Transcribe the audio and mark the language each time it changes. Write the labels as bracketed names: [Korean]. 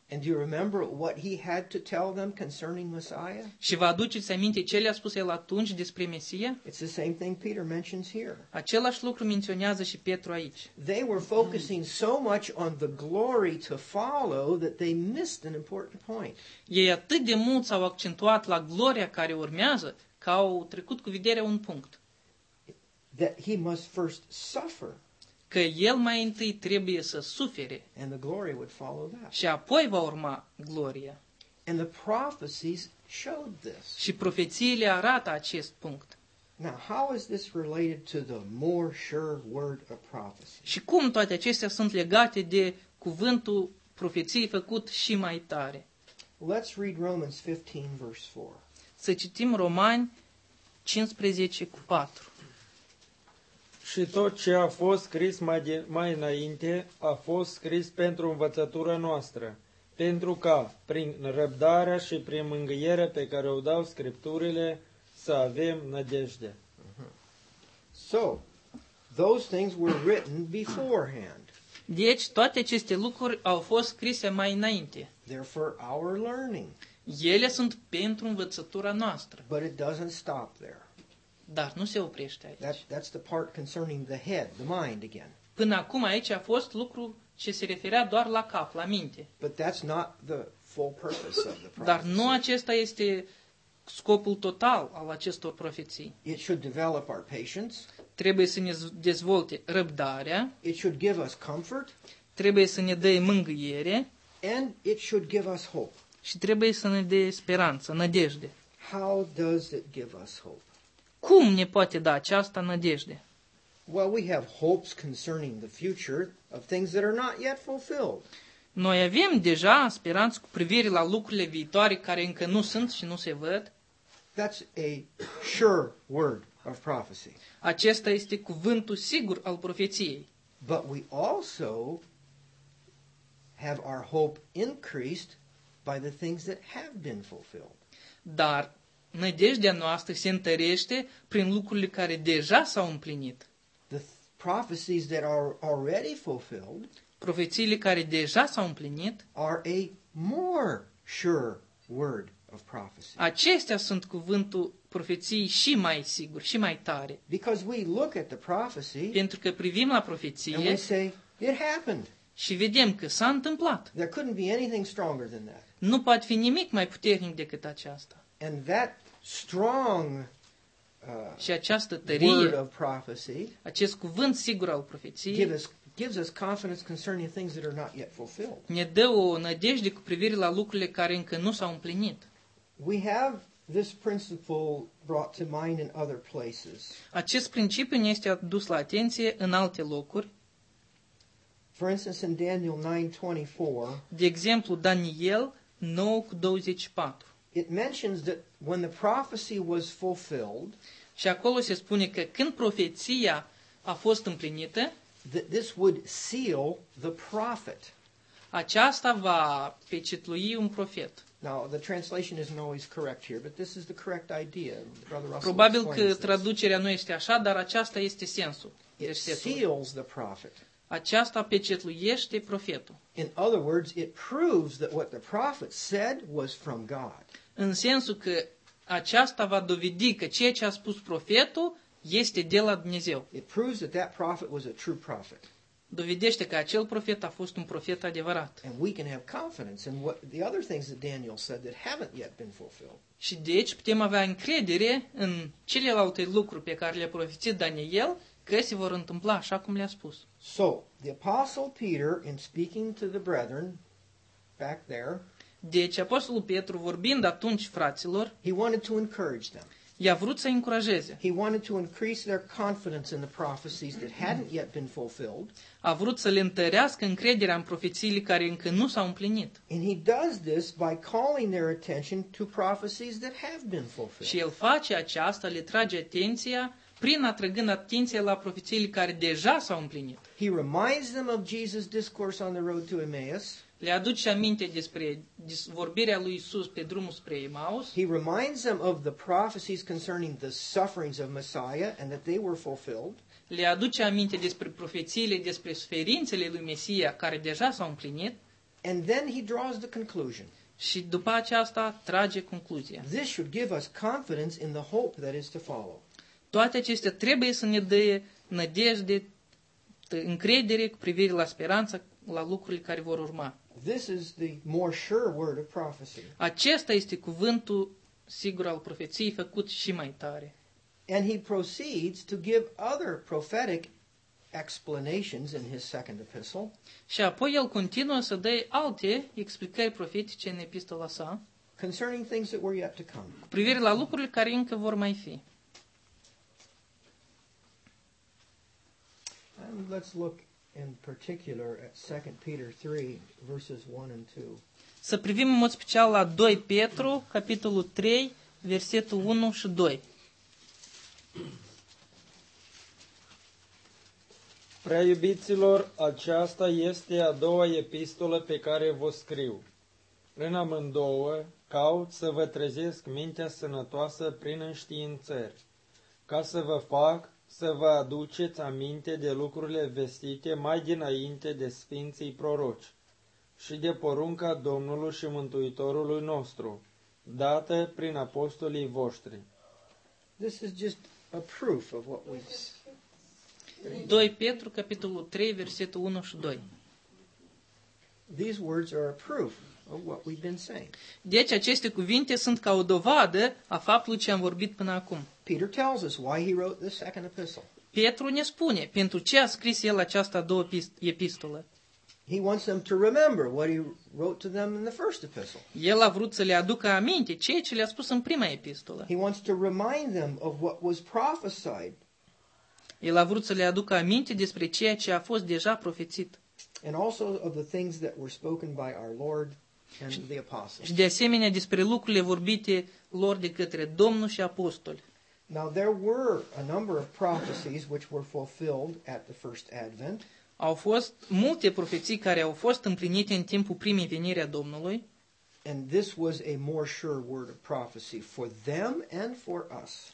[English] And do you remember what he had to tell them concerning Messiah? [Romanian] Și vă aduceți aminte ce le-a spus el atunci despre Mesia? [English] It's the same thing Peter mentions here. [Romanian] Același lucru menționează și Petru aici. [English] They were focusing so much on the glory to follow that they missed an important point. [Romanian] Ei atât de mult s-au accentuat la gloria care urmează că au trecut cu vederea un punct. [English] That he must first suffer. [Romanian] Că el mai întâi trebuie să sufere. [English] And the glory would follow that. [Romanian] Și apoi va urma gloria. [English] And the prophecies showed this. [Romanian] Și profețiile arată acest punct. [English] Now, how is this related to the more sure word of prophecy? [Romanian] Și cum toate acestea sunt legate de cuvântul profeției făcut și mai tare? [English] Let's read Romans 15, verse 4. [Romanian] Să citim Romani 15, 4. Și tot ce a fost scris mai înainte a fost scris pentru învățătura noastră, pentru ca, prin răbdarea și prin mângâierea pe care o dau Scripturile, să avem nădejde. [English] So, those things were written beforehand. [Romanian] Deci, toate aceste lucruri au fost scrise mai înainte. [English] They're for our learning. [Romanian] Ele sunt pentru învățătura noastră. [English] But it doesn't stop there. [Romanian] Dar nu se oprește aici. [English] That's the part concerning the head, the mind again. [Romanian] Până acum aici a fost lucru ci se referea doar la cap, la minte. [English] But that's not the full purpose of the prophecy. [Romanian] Dar nu acesta este scopul total al acestor profeții. [English] It should develop our patience. [Romanian] Trebuie să ne dezvolte răbdarea. [English] It should give us comfort. [Romanian] Trebuie să ne dea mângâiere. [English] And it should give us hope. [Romanian] Și trebuie să ne dea speranță, nădejde. [English] How does it give us hope? [Romanian] Cum ne poate da aceasta nădejde? [English] Well, we have hopes concerning the future of things that are not yet fulfilled. [Romanian] Noi avem deja speranță cu privire la lucrurile viitoare care încă nu sunt și nu se văd. [English] That's a sure word of prophecy. [Romanian] Acesta este cuvântul sigur al profeției. [English] But we also have our hope increased by the things that have been fulfilled. [Romanian] Dar nădejdea noastră se întărește prin lucrurile care deja s-au împlinit. [English] The prophecies that are already fulfilled. [Romanian] Profețiile care deja s-au împlinit. [English] Are a more sure word of prophecy. [Romanian] Acestea sunt cuvântul profeției și mai sigur, și mai tare. [English] Because we look at the prophecy. [Romanian] Pentru că privim la profeție. [English] And we say, it happened. [Romanian] Și vedem că s-a întâmplat. [English] There couldn't be anything stronger than that. [Romanian] Nu poate fi nimic mai puternic decât aceasta. [English] And that strong [Romanian] și această tărie, [English] word of prophecy, [Romanian] acest cuvânt sigur al profeției, [English] gives us confidence concerning things that are not yet fulfilled. [Romanian] Ne dă o nădejde cu privire la lucrurile care încă nu s-au împlinit. [English] We have this principle brought to mind in other places. [Romanian] Acest principiu ne este adus la atenție în alte locuri. [English] For instance, in Daniel 9:24. [Romanian] De exemplu, Daniel 9:24. [English] It mentions that when the prophecy was fulfilled, [Romanian] și acolo se spune că când profeția a fost împlinită, [English] that this would seal the prophet. [Romanian] Aceasta va pecetlui un profet. [English] Now, the translation isn't always correct here, but this is the correct idea. Brother Russell, [Romanian] probabil că [English] this. [Romanian] Traducerea nu este așa, dar aceasta este sensul. [English] It seals the prophet. [Romanian] Aceasta pecetluiește profetul. [English] In other words, it proves that what the prophet said was from God. [Romanian] În sensul că aceasta va dovedi că ceea ce a spus profetul este de la Dumnezeu. [English] It proves that that prophet was a true prophet. [Romanian] Dovedește că acel profet a fost un profet adevărat. [English] And we can have confidence in what the other things that Daniel said that haven't yet been fulfilled. [Romanian] Și deci putem avea încredere în celelalte lucruri pe care le-a profețit Daniel, că se vor întâmpla așa cum le-a spus. [English] So, the apostle Peter, in speaking to the brethren back there, [Romanian] deci apostolul Petru vorbind atunci fraților, [English] he wanted to encourage them. [Romanian] I-a vrut să-i încurajeze. [English] He wanted to increase their confidence in the prophecies that hadn't yet been fulfilled. [Romanian] A vrut să le întărească încrederea în profețiile care încă nu s-au împlinit. [English] And he does this by calling their attention to prophecies that have been fulfilled. [Romanian] Și el face aceasta, le trage atenția prin atrăgând atenția la profețiile care deja s-au împlinit. [English] He reminds them of Jesus' discourse on the road to Emmaus. [Romanian] Le aduce aminte despre vorbirea lui Isus pe drumul spre Emaus. [English] He reminds them of the prophecies concerning the sufferings of Messiah and that they were fulfilled. [Romanian] Le aduce aminte despre profețiile despre suferințele lui Mesia care deja s-au împlinit. [English] And then he draws the conclusion. [Romanian] Și după aceasta trage concluzia. [English] This should give us confidence in the hope that is to follow. [Romanian] Toate acestea trebuie să ne dea nădejde, încredere cu privire la speranța la lucrurile care vor urma. [English] This is the more sure word of prophecy. [Romanian] Acesta este cuvântul sigur al profeției făcut și mai tare. [English] And he proceeds to give other prophetic explanations in his second epistle. [Romanian] Și apoi el continuă să dea alte explicări profetice în epistola sa. [English] Concerning things that were yet to come. [Romanian] Cu privire la lucrurile care încă vor mai fi. [English] And let's look in particular at 2 Peter 3, verses 1 and 2. [Romanian] Să privim în mod special la 2 Petru, capitolul 3, versetul 1 și 2. Prea iubiților, aceasta este a doua epistolă pe care vă scriu. În amândouă caut să vă trezesc mintea sănătoasă prin înștiințări, ca să vă fac să vă aduceți aminte de lucrurile vestite mai dinainte de sfinții proroci și de porunca Domnului și Mântuitorului nostru, dată prin apostolii voștri. [English] This is just a proof of what we've... [Romanian] 2 Petru, capitolul 3, versetul 1 și 2. [English] These words are a proof of what we've been saying. [Romanian] Deci aceste cuvinte sunt ca o dovadă a faptului ce am vorbit până acum. [English] Peter tells us why he wrote the second epistle. [Romanian] Petru ne spune pentru ce a scris el această a doua epistolă. [English] He wants them to remember what he wrote to them in the first epistle. [Romanian] El a vrut să le aducă aminte ceea ce le-a spus în prima epistolă. [English] He wants to remind them of what was prophesied. [Romanian] El a vrut să le aducă aminte despre ceea ce a fost deja profețit. [English] And also of the things that were spoken by our Lord and the apostles. [Romanian] Și de asemenea despre lucrurile vorbite lor de către Domnul și apostoli. [English] Now there were a number of prophecies which were fulfilled at the first advent. [Romanian] Au fost multe profeții care au fost împlinite în timpul primei veniri a Domnului. [English] And this was a more sure word of prophecy for them and for us.